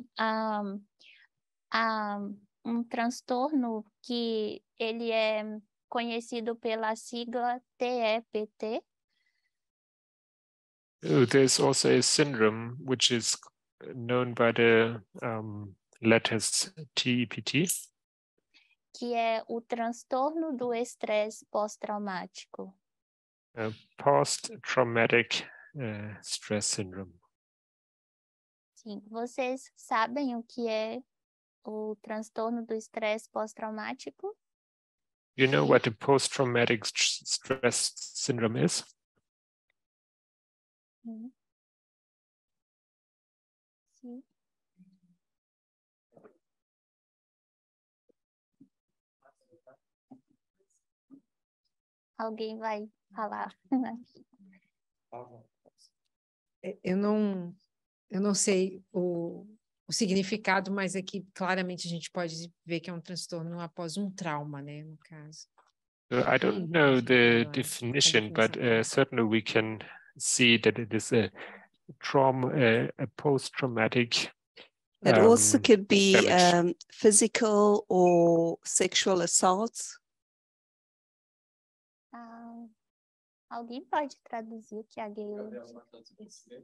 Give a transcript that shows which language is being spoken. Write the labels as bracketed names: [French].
[Portuguese] E há também um transtorno que ele é conhecido pela sigla TEPT. [English] There's also a syndrome which is known by the letters TEPT, [Portuguese] que é o transtorno do estresse pós-traumático. [English] Post-traumatic stress syndrome. [Portuguese] Sim, vocês sabem o que é o transtorno do estresse pós-traumático? [English] You know what the post-traumatic stress syndrome is? [Portuguese] Alguém vai falar. Eu não sei o significado, mas aqui claramente a gente pode ver que é um transtorno após um trauma, né, no caso. [English] I don't know the definition, but certainly we can see that it is a trauma, a post-traumatic. It also could be physical or sexual assaults. [Portuguese] Alguém pode traduzir o que a Gayle disse?